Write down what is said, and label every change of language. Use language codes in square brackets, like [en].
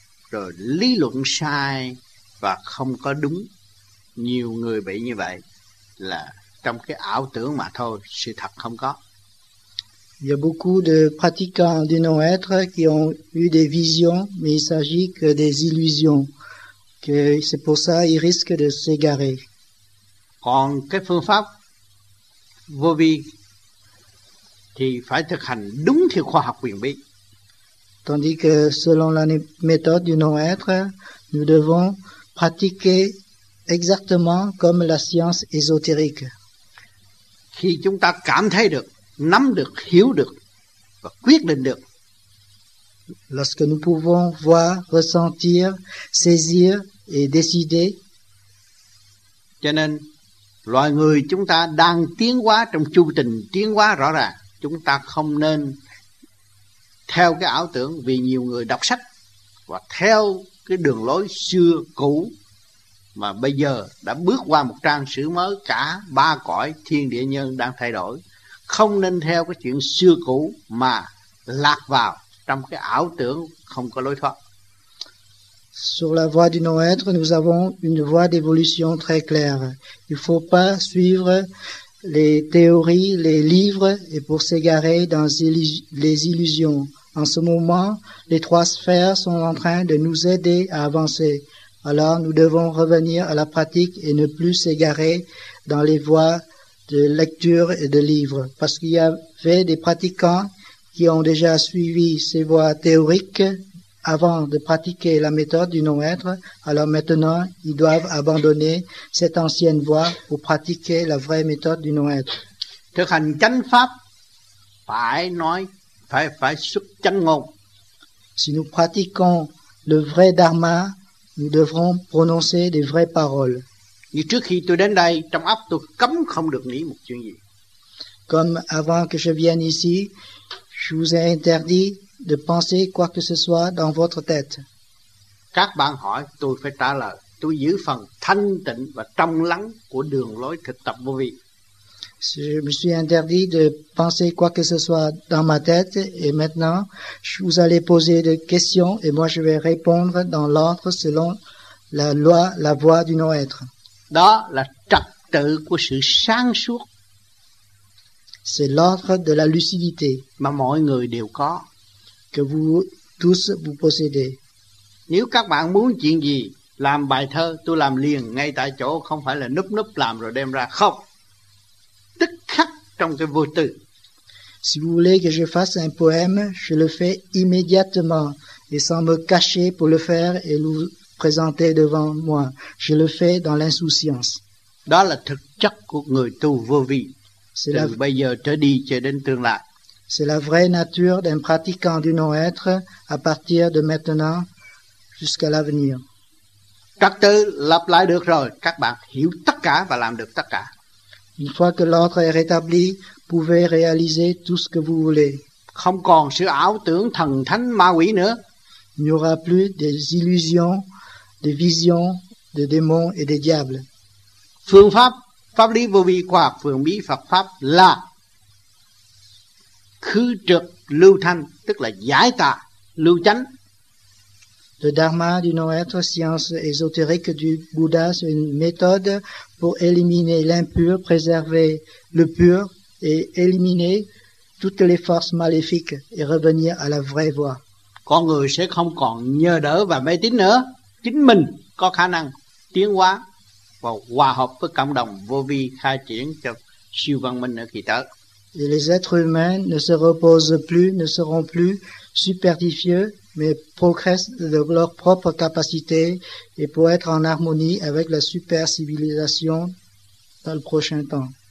[vi] Rồi lý luận sai và không có đúng. Nhiều người bị như vậy là trong cái ảo tưởng mà thôi, sự thật không có. [fr] Il y a beaucoup de pratiquants du non-être qui ont eu des visions, mais il s'agit que des illusions. Que c'est pour ça qu'ils risquent de s'égarer. [vi] Còn cái phương pháp vô vi thì phải thực hành đúng theo khoa học quyền bí. [fr] Tandis que selon la méthode du non-être, nous devons pratiquer exactement comme la science ésotérique. [vi] Khi chúng ta cảm thấy được, nắm được, hiểu được và quyết định được. [fr] Lorsque nous pouvons voir, ressentir, saisir et décider. [vi] Cho nên, loài người chúng ta đang tiến hóa trong chu trình tiến hóa rõ ràng. Chúng ta không nên theo cái ảo tưởng, vì nhiều người đọc sách và theo cái đường lối xưa cũ mà bây giờ đã bước qua một trang sử mới, cả ba cõi thiên địa nhân đang thay đổi. Không nên theo cái chuyện xưa cũ mà lạc vào trong cái ảo tưởng không có lối thoát. [fr] Sur la voie du non-être, nous avons une voie d'évolution très claire. Il ne faut pas suivre les théories, les livres, et pour s'égarer dans les illusions. En ce moment, les trois sphères sont en train de nous aider à avancer. Alors, nous devons revenir à la pratique et ne plus s'égarer dans les voies de lecture et de livres. Parce qu'il y avait des pratiquants qui ont déjà suivi ces voies théoriques avant de pratiquer la méthode du non-être, alors maintenant, ils doivent abandonner cette ancienne voie pour pratiquer la vraie méthode du non-être. [vi] Thực hành chánh pháp, phải nói, phải xuất chánh ngôn. [fr] Si nous pratiquons le vrai dharma, nous devrons prononcer des vraies paroles. [vi] Như trước khi tôi đến đây, trong óc tôi cấm không được nghĩ một chuyện gì. [fr] Comme avant que je vienne ici, je vous ai interdit de penser quoi que ce soit dans votre tête. [vi] Các bạn hỏi, tôi phải trả lời, tôi giữ phần thanh tịnh và trong lắng của đường lối thực tập vô vi. [fr] Je me suis interdit de penser quoi que ce soit dans ma tête, et maintenant, vous allez poser des questions, et moi je vais répondre dans l'ordre selon la loi, la voie du non-être. [vi] Đó là trật tự của sự sáng suốt. [fr] C'est l'ordre de la lucidité. [vi] Mà mọi người đều có. [fr] Que vous tous vous possédez. [vi] Nếu các bạn muốn chuyện gì, làm bài thơ, tôi làm liền ngay tại chỗ, không phải là núp làm rồi đem ra, không. Tức khắc trong cái vô tư. [fr] Si vous voulez que je fasse un poème, je le fais immédiatement et sans me cacher pour le faire et le présenter devant moi. Je le fais dans l'insouciance. [vi] Đó là thực chất của người tu vô vi. [fr] C'est [vi] từ bây giờ trở đi cho đến tương lai. [fr] C'est la vraie nature d'un pratiquant du non-être à partir de maintenant jusqu'à l'avenir. [vi] Trật tự lập lại được rồi, các bạn hiểu tất cả và làm được tất cả. [fr] Une fois que l'ordre est rétabli, vous pouvez réaliser tout ce que vous voulez. [vi] Không còn sự ảo tưởng thần thánh ma quỷ nữa. [fr] Il n'y aura plus des illusions, des visions des démons et des diables. [vi] Phương pháp, pháp lý vô vi khoa học, phương bí Phật pháp là khứ trực lưu thanh, tức là giải tà lưu chánh. [fr] Le dharma du non-être, science ésotérique du Bouddha, c'est une méthode pour éliminer l'impur, préserver le pur et éliminer toutes les forces maléfiques et revenir à la vraie voie. [vi] Con người sẽ không còn nhờ đỡ và mê tín nữa, chính mình có khả năng tiến hóa và hòa hợp với cộng đồng vô vi khai triển cho siêu văn minh ở kỳ tới. [fr] Et les êtres humains ne se reposent plus, ne seront plus superficieux, mais progressent de leurs propres capacités et pour être en harmonie avec la super civilisation dans le prochain temps.